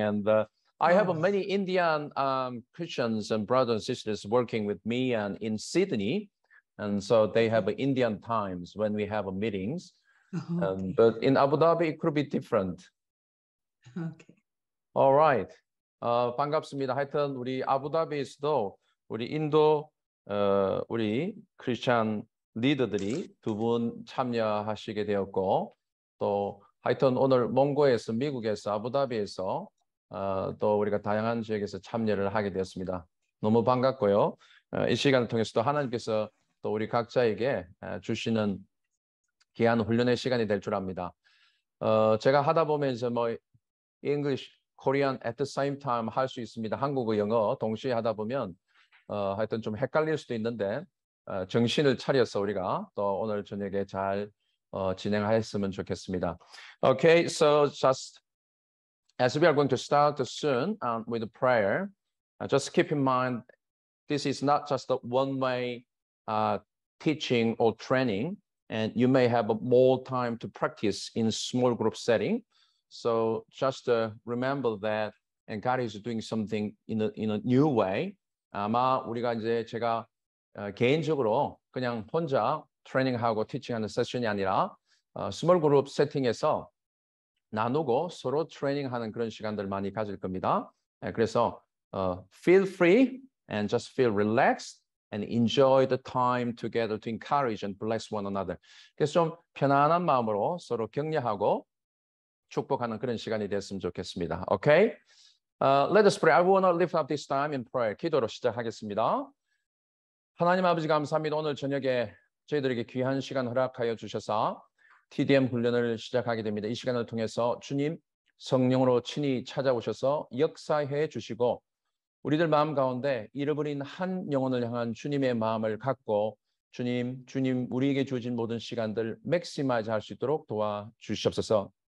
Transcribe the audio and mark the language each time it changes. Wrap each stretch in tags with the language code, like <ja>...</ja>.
<en>And I have many Indian Christians and brothers and sisters working with me and in Sydney. And so they have Indian times when we have meetings. Okay. But in Abu Dhabi, it could be different. Okay. All right.</en> <ko>반갑습니다. 하여튼 우리 아부다비에서도 우리 인도 우리 크리스찬 리더들이 두 분 참여하시게 되었고 또 하여튼 오늘 몽고에서 미국에서 아부다비에서 또 우리가 다양한 지역에서 참여를 하게 되었습니다. 너무 반갑고요. 이 시간을 통해서도 하나님께서 또 우리 각자에게 주시는 귀한 훈련의 시간이 될 줄 압니다. 제가 하다 보면서 뭐</ko> <en>English, Korean at the same time</en> <ko>할 수 있습니다. 한국어, 영어 동시에 하다 보면 하여튼 좀 헷갈릴 수도 있는데 정신을 차려서 우리가 또 오늘 저녁에 잘 진행하였으면 좋겠습니다.</ko> <en>Okay, so just as we are going to start soon with a prayer, just keep in mind this is not just a one-way teaching or training, and you may have more time to practice in small group setting. So just remember that, and God is doing something in a new way.</en> <ko>아마 우리가 이제 제가 개인적으로 그냥 혼자 트레이닝하고 티칭하는 세션이 아니라 스몰 그룹 세팅에서 나누고 서로 트레이닝하는 그런 시간들 많이 가질 겁니다. 그래서</ko> <en>feel free and just feel relaxed and enjoy the time together to encourage and bless one another.</en> <ko>그래서 좀 편안한 마음으로 서로 격려하고 축복하는 그런 시간이 됐으면 좋겠습니다.</ko> <en>Okay? Let us pray. I want to lift up this time in prayer.</en> <ko>기도로 시작하겠습니다. 하나님 아버지 감사합니다. 오늘 저녁에 저희들에게 귀한 시간 허락하여 주셔서 TDM 훈련을 시작하게 됩니다. 이 시간을 통해서 주님 성령으로 친히 찾아오셔서 역사해 주시고 우리들 마음 가운데 잃어버린 한 영혼을 향한 주님의 마음을 갖고 주님 우리에게 주어진 모든 시간들 맥시마이즈 할 수 있도록 도와주시옵소서.</ko>